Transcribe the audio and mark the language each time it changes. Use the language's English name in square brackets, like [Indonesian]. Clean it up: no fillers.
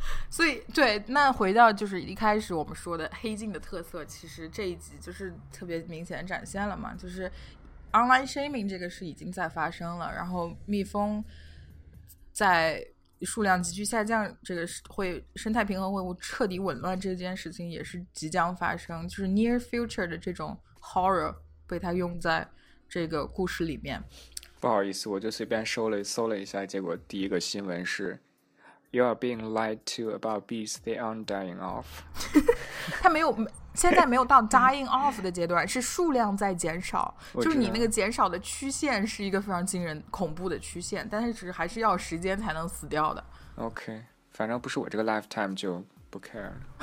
[Chinese] 所以对，那回到就是一开始我们说的黑镜的特色，其实这一集就是特别明显展现了嘛，就是online shaming 这个事已经在发生了，然后蜜蜂在数量急剧下降，这个会生态平衡会彻底紊乱，这件事情也是即将发生，就是 near future 的这种 horror 被它用在这个故事里面。不好意思，我就随便搜了一下，结果第一个新闻是 [English] You are being lied to about bees they aren't dying off. [Chinese] 他没有，现在没有到 dying off 的阶段，是数量在减少，就是你那个减少的曲线是一个非常惊人恐怖的曲线，但是还是要时间才能死掉的。 OK， 反正不是我这个 lifetime 就不 care 了。